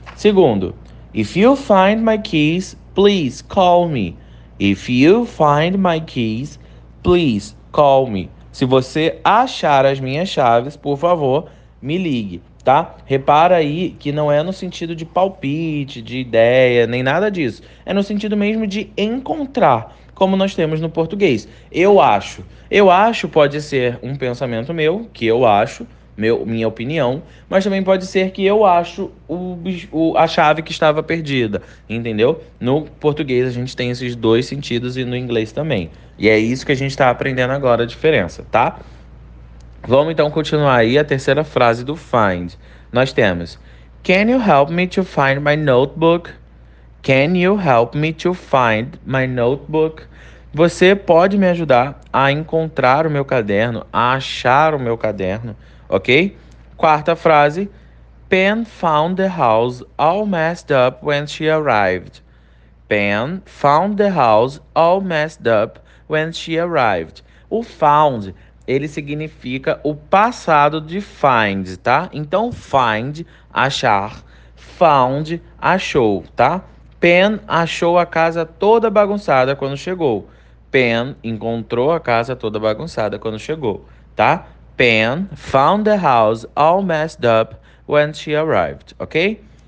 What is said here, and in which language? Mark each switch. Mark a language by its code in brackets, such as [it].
[pt] Segundo, [en] if you find my keys, please call me. If you find my keys, please call me. [pt] Se você achar as minhas chaves, por favor, me ligue. Tá? Repara aí que não é no sentido de palpite, de ideia, nem nada disso. É no sentido mesmo de encontrar, como nós temos no português. Eu acho. Eu acho pode ser um pensamento meu, que eu acho, minha opinião, mas também pode ser que eu acho a chave que estava perdida, entendeu? No português a gente tem esses dois sentidos e no inglês também. E é isso que a gente está aprendendo agora a diferença, tá? Vamos então continuar aí a terceira frase do find. Nós temos: [en] Can you help me to find my notebook? Can you help me to find my notebook? [pt] Você pode me ajudar a encontrar o meu caderno, a achar o meu caderno, ok? Quarta frase: [en] Pam found the house all messed up when she arrived. Pam found the house all messed up when she arrived. [pt] O found, ele significa o passado de find, tá? Então, find, achar, found, achou, tá? Pam achou a casa toda bagunçada quando chegou. Pam encontrou a casa toda bagunçada quando chegou, tá? [en] Pam found the house all messed up when she arrived, ok?